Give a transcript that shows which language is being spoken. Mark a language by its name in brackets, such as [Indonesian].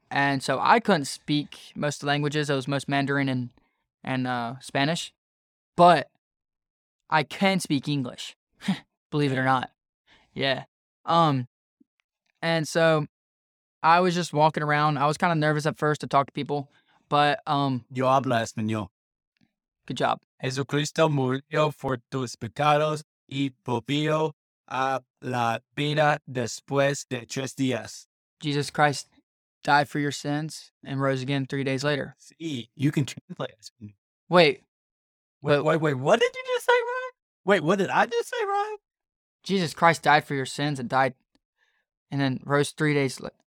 [English] And so I couldn't speak most of the languages. It was most Mandarin and Spanish. But I can speak English, believe it or not. Yeah. And so I was just walking around. I was kind of nervous at first to talk to people. But [Spanish] yo hablo español. [English] Good job. [Spanish] Jesucristo murió por tus pecados. Y volvió a la vida después de tres días. [English] Jesus Christ died for your sins and rose again 3 days later. See, you can translate this. Wait, what did you just say, Ryan? Wait, what did I just say, Ryan? Jesus Christ died for your sins and died and then rose 3 days later.